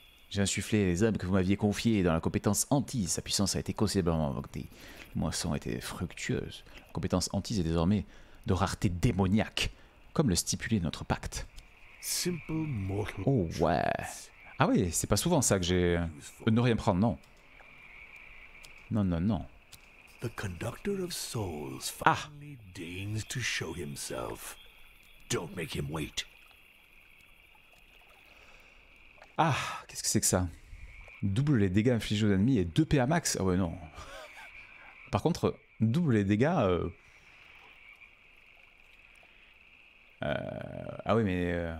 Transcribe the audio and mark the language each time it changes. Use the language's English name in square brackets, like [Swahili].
[French] J'ai insufflé les âmes que vous m'aviez confiées dans la compétence Antise. Sa puissance a été considérablement augmentée. Les moissons étaient fructueuses. La compétence Antise est désormais de rareté démoniaque, comme le stipulait notre pacte. [English] Simple mortal. [French] Oh ouais. Ah oui, c'est pas souvent ça que j'ai. Ne rien prendre, non. Non, non, non. [English] The conductor of souls finally deigns to show himself. Don't make him wait. [French] Ah, qu'est-ce que c'est que ça? Double les dégâts infligés aux ennemis et 2 PA max? Ah ouais, non. Par contre, double les dégâts... Ah ouais, mais...